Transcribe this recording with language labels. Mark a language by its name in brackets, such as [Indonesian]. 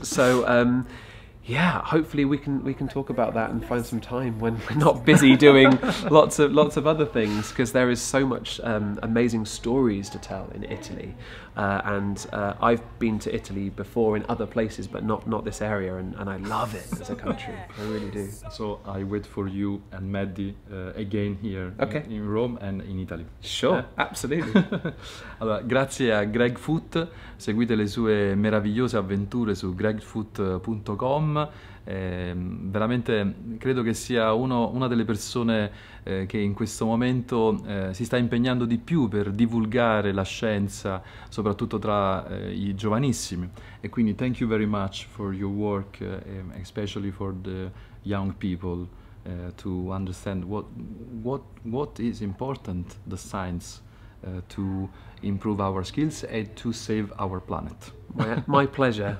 [English] So, yeah, hopefully we can talk about that and find some time when we're not busy doing lots of other things, because there is so much amazing stories to tell in Italy. And I've been to Italy before in other places, but not this area, and I love it as a country. I really do. So I wait for you and Maddy again here in Rome and in Italy. Sure, absolutely. [Italian] Allora, grazie a Greg Foot. Seguite le sue meravigliose avventure su gregfoot.com. Veramente credo che sia una delle persone che in questo momento si sta impegnando di più per divulgare la scienza, soprattutto tra i giovanissimi. E quindi [English] thank you very much for your work, especially for the young people to understand what is important, the science, to improve our skills and to save our planet. My pleasure.